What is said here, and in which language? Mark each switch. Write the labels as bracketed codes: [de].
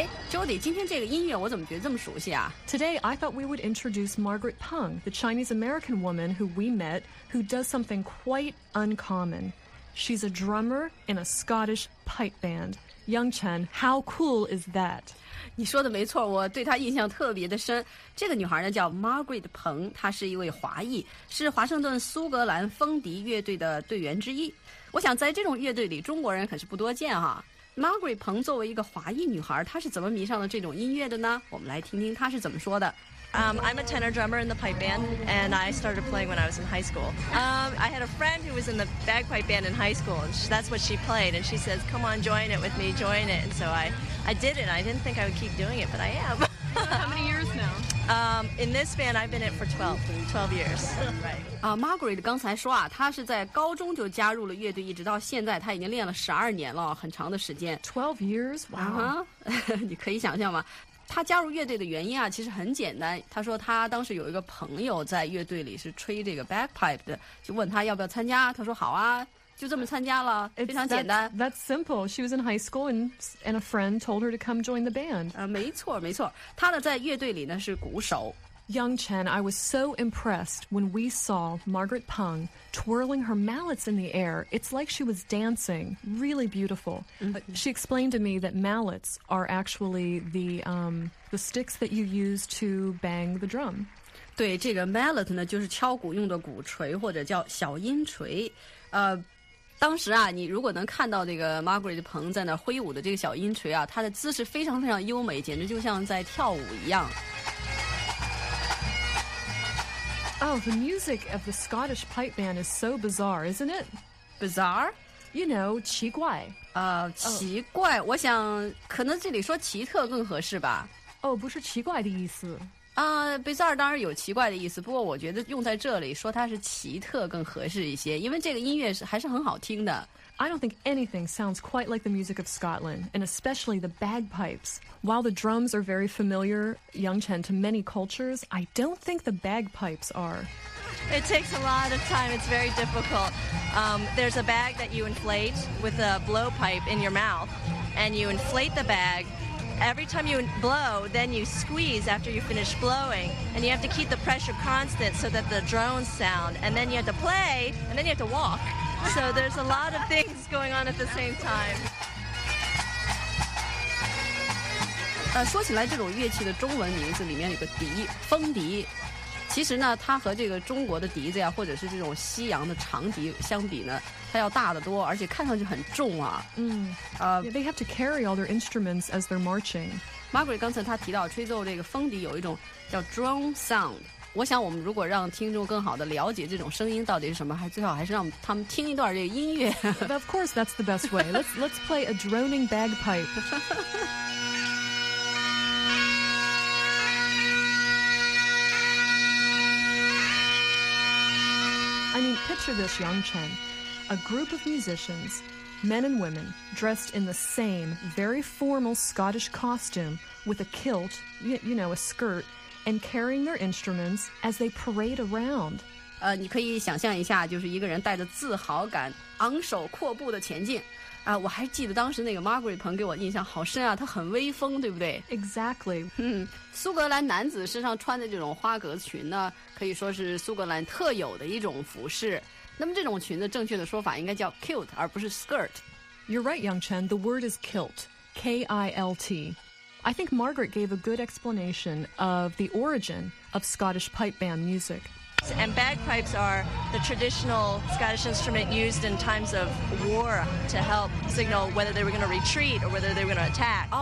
[zh] Jody, 今天这个音乐我怎么觉得这么熟悉啊？ [en] Today, I thought we would introduce Margaret Peng, the Chinese-American woman who we met, who does something quite uncommon. She's a drummer in a Scottish pipe band. Yang Chen, how cool is that? [zh] 你说的没错，我对她印象特别的深。这个女孩呢叫 Margaret Peng, 她是一位华裔，是华盛顿苏格兰风笛乐队的队员之一。我想在这种乐队里，中国人可是不多见哈。Margaret Peng 作为一个华裔女孩，她是怎么迷上了这种音乐的呢？我们来听听她是怎么说的。 [en] I'm a tenor drummer in the pipe band, and I started playing when I was in high school. I had a friend who was in the bagpipe band in high school, and that's what she played. And she says, "Come on, join it with me, join it." And so I did it. I didn't think I would keep doing it, but I am. How many years now? In this band, I've been in it for 12 years. Right. [zh] Margaret 刚才说啊，她是在高中就加入了乐队，一直到现在，她已经练了12年了，很长的时间。 [en] 12 years? Wow. [zh] Uh-huh. 你可以想象吗？他加入乐队的原因啊，其实很简单。他说他当时有一个朋友在乐队里是吹这个 bagpipe 的，就问他要不要参加。他说好啊，就这么参加了， [en] It's、 [zh] 非常简单。 [en] That's simple. She was in high school and a friend told her to come join the band. [zh] 没错没错。他呢在乐队里呢是鼓手。 [en] Young Chen, I was so impressed when we saw Margaret Peng twirling her mallets in the air. It's like she was dancing. Really beautiful. Mm-hmm. She explained to me that mallets are actually the sticks that you use to bang the drum. [zh] 对，这个 mallet 呢，就是敲鼓用的鼓槌，或者叫小音锤。当时啊，你如果能看到这个 Margaret Peng 在那挥舞的这个小音锤啊，她的姿势非常非常优美，简直就像在跳舞一样。 [en] Oh, the music of the Scottish pipe band is so bizarre, isn't it? Bizarre? You know, [zh] 奇怪。奇怪，我想可能这里说奇特更合适吧。哦，不是奇怪的意思。 Bizarre 当然有奇怪的意思，不过我觉得用在这里说它是奇特更合适一些，因为这个音乐是还是很好听的。 [en] I don't think anything sounds quite like the music of Scotland, and especially the bagpipes. While the drums are very familiar, Yang Chen, to many cultures, I don't think the bagpipes are. It takes a lot of time. It's very difficult. There's a bag that you inflate with a blowpipe in your mouth, and you inflate the bag. Every time you blow, then you squeeze after you finish blowing, and you have to keep the pressure constant so that the drones sound, and then you have to play, and then you have to walk. So there's a lot of things going on at the same time. [zh] 说起来这种乐器的中文名字里面有个笛，风笛。其实呢，它和这个中国的笛子呀，或者是这种西洋的长笛相比呢，它要大得多，而且看上去很重啊。 [en] They have to carry all their instruments as they're marching. [zh] Margaret 刚才她提到吹奏这个风笛有一种叫 drone sound。我想我们如果让听众更好地了解这种声音到底是什么，还最好还是让他们听一段这个音乐。 [en] But of course, that's the best way. Let's play a droning bagpipe. 。I mean, picture this, Yang Chen. A group of musicians, men and women, dressed in the same very formal Scottish costume with a kilt, you know, a skirt,and carrying their instruments as they parade around. [zh] 你可以想象一下，就是一个人带着自豪感昂首阔步的前进。我还记得当时那个 Margaret Peng 给我印象好深啊，她很威风，对不对？ [en] Exactly. [zh] 苏格兰男子身上穿的这种花格裙呢，可以说是苏格兰特有的一种服饰。那么这种裙子正确的说法应该叫 kilt 而不是 skirt。 [en] You're right, Yang Chen. The word is kilt. K-I-L-T. I think Margaret gave a good explanation of the origin of Scottish pipe band music. And bagpipes are the traditional Scottish instrument used in times of war to help signal whether they were going to retreat or whether they were going to attack.